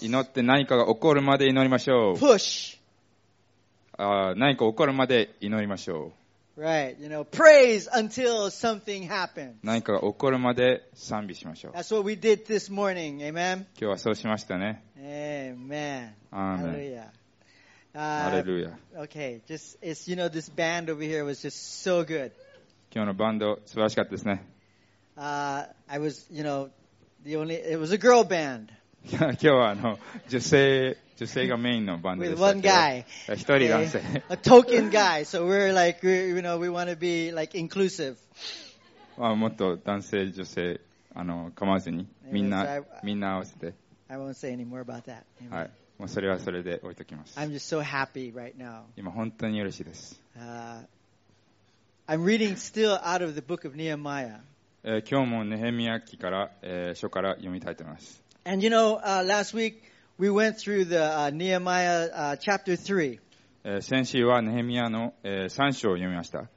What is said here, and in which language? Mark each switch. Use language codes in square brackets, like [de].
[ja] 祈って何かが起こるまで祈りましょう。 [en] Push. [ja] 何か起こるまで祈りましょう。 [en] Right. You know, praise until something happens. [ja] 何かが起こるまで賛美しましょう。 [en] That's what we did this morning. Amen. [ja] 今日はそうしましたね。 [en] Amen. Hallelujah. Hallelujah. Okay. Just, it's, you know, this band over here was just so good. [ja] 今日のバンド素晴らしかったですね。 [en] I was, you know, the only, it was a girl band. [ja] 今日は女性がメインのバンドです。 [en] One guy. [ja] 一人男性。 [en] A token guy. So we're like, you know, we want to be like inclusive. [ja] もっと男性、女性、構わずに、みんな合わせて。 [en] I won't say any more about that. [ja] はい。もうそれはそれで置いときます。 [en] I'm just so happy right now. [ja] 今本当に嬉しいです。 [en] I'm reading still out of the book of Nehemiah. [ja] 今日もネヘミヤ記から、書から読みたいと思います。 [en] And you know, last week, we went through the Nehemiah chapter 3. [ja] 先週はネヘミヤの3章を読みました。